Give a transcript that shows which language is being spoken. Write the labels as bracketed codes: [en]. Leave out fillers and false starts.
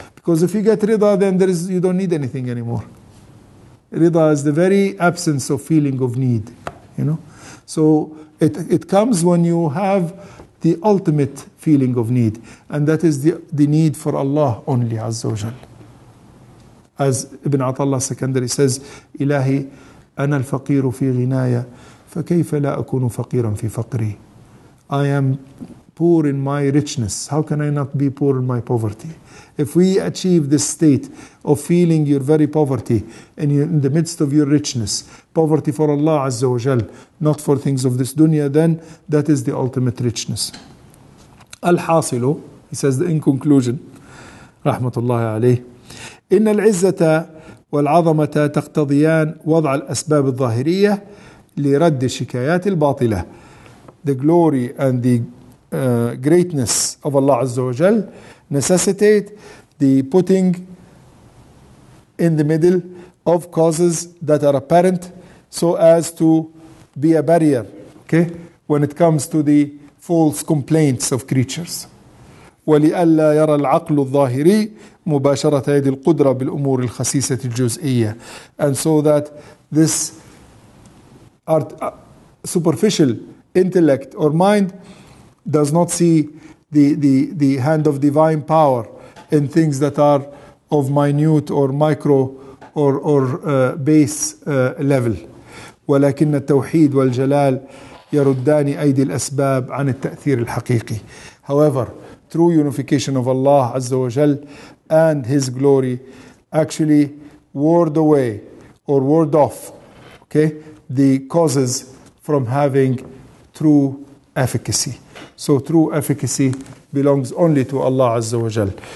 [en] Because if you get rida, then you don't need anything anymore. Rida is the very absence of feeling of need, you know. So it comes when you have the ultimate feeling of need, and that is the need for Allah only, Azza wa Jal. As Ibn Atallah Secondary says, [ar] إلهي أنا الفقير في غناية فكيف لا أكون فقيرا في فقري. [en] I am poor in my richness. How can I not be poor in my poverty? If we achieve this state of feeling your very poverty in the midst of your richness, poverty for Allah Azza wa Jal, not for things of this dunya, then that is the ultimate richness. [ar] Al-Hasilu, [en] he says in conclusion, [ar] Rahmatullahi alayhi, إن العزة والعظمة تقتضيان وضع الأسباب الظاهرية لرد الشكايات الباطلة. [en] The glory and the greatness of Allah Azza wa Jal necessitate the putting in the middle of causes that are apparent so as to be a barrier, okay, when it comes to the false complaints of creatures. [ar] ولئلا يرى العقل الظاهري مباشرة يد القدرة بالأمور الخسيسة الجزئية. [en] And so that this superficial intellect or mind does not see the hand of divine power in things that are of minute or micro or base level. [ar] ولكن التوحيد والجلال يردان أيدي الأسباب عن التأثير الحقيقي. [en] However, true unification of Allah Azza wa Jal and His glory actually ward away or ward off, okay, the causes from having true efficacy. So true efficacy belongs only to Allah Azza wa Jal.